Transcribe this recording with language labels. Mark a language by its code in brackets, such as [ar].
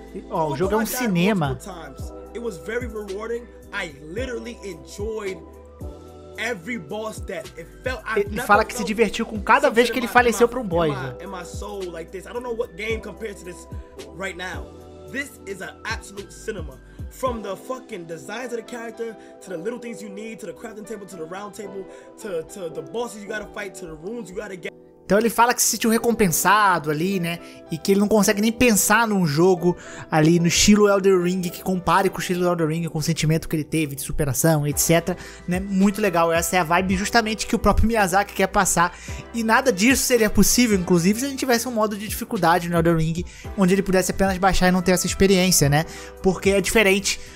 [pt] Ó, o jogo é um cinema. [en] It was very rewarding. I literally enjoyed every boss death. It felt, [pt] ele fala que se divertiu com cada vez que ele faleceu pra um boss. [en] My soul like this. I don't know what game compares to this right now. This is an absolute cinema. From the fucking designs of the character, to the little things you need, to the crafting table, to the round table, to the bosses you gotta fight, to the runes you gotta get. [pt] Então ele fala que se sentiu recompensado ali, né? E que ele não consegue nem pensar num jogo ali no estilo Elden Ring, que compare com o estilo Elden Ring, com o sentimento que ele teve de superação, etc. Né? Muito legal, essa é a vibe justamente que o próprio Miyazaki quer passar. E nada disso seria possível, inclusive, se a gente tivesse um modo de dificuldade no Elden Ring, onde ele pudesse apenas baixar e não ter essa experiência, né? Porque é diferente...